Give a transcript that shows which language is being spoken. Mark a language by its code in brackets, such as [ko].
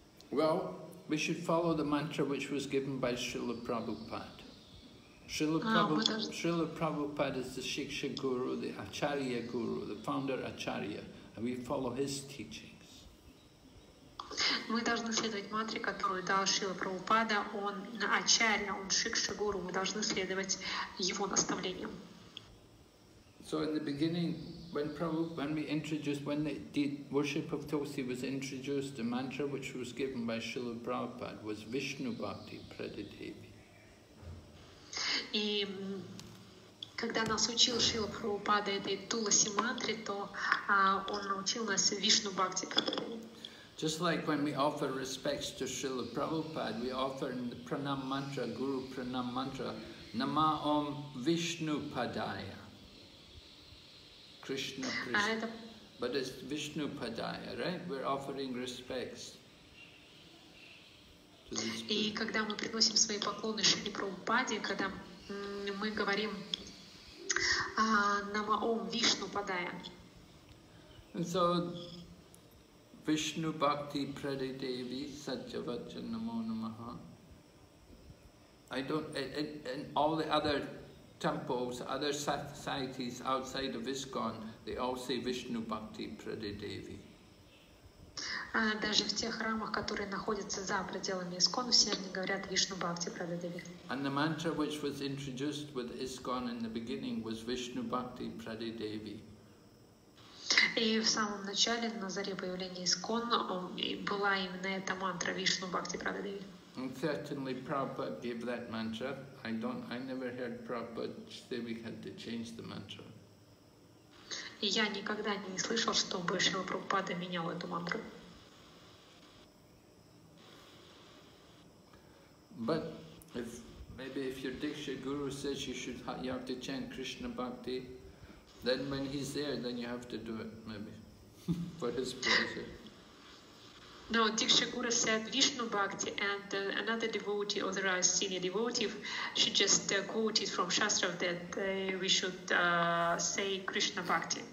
[en] Well, we should follow the mantra which was given by Srila Prabhupada. Srila Prabhupada is the Shiksha Guru, the Acharya Guru, the founder Acharya, and we follow his teachings. [ru] Мы должны следовать мантре, которую дал Шрила Прабхупада. Он Ачарья, он Шикша Гуру. Мы должны следовать его наставлениям. [en] So in the beginning, when the worship of Tulsi was introduced, the mantra which was given by Srila Prabhupada was Vishnu Bhakti Pradadevi. [ru] И когда нас учил Шрила Прабхупада этой Туласи мантре, то он научил нас Вишну Бхакти Прададеви. [en] Just like when we offer respects to Srila Prabhupada, we offer in the Pranam mantra, Guru Pranam mantra, [sa] Nama Om Vishnu Padaya. [en] Krishna. But it's Vishnu Padaya, right? We're offering respects. [ru] И когда мы приносим свои поклоны Шри Прабхупаде, когда мы говорим [sa] Нама Ом Вишну Падая. [en] And so [sa] Vishnu Bhakti Pradadevi Satyavachan Namo Namaha. [en] And all the other temples, other societies outside of ISKCON, they all say Vishnu Bhakti Pradadevi. [ru] Даже в тех храмах, которые находятся за пределами ISKCON, все они говорят Вишну Бхакти Прададеви. [en] And the mantra which was introduced with ISKCON in the beginning was Vishnu Bhakti Pradadevi. [ru] И в самом начале, на заре появления ISKCON, была именно эта мантра Вишну Бхакти Прададеви. [en] And certainly Prabhupada gave that mantra. I never heard Prabhupada say we had to change the mantra. [ru] Я никогда не слышал, чтобы Шрила Прабхупада менял эту мантру. [en] But if your Diksha Guru says you have to chant Krishna Bhakti, then when he's there, then you have to do it, maybe, for his pleasure. No, Diksha Guru said Vishnu Bhakti, and another devotee, authorized senior devotee, she just quoted from Shastra that we should say Krishna Bhakti.